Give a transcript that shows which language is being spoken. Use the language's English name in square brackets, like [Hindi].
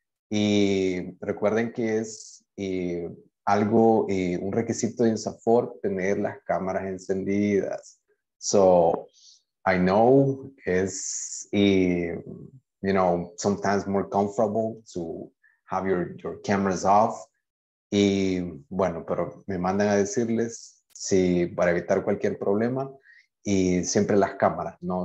[Spanish] Y recuerden que es algo, un requisito de INSAFORP, tener las cámaras encendidas. [English] So, I know it's, you know, sometimes more comfortable to have your cameras off. [Spanish] Y bueno, pero me mandan a decirles si para evitar cualquier problema y siempre las cámaras, ¿no?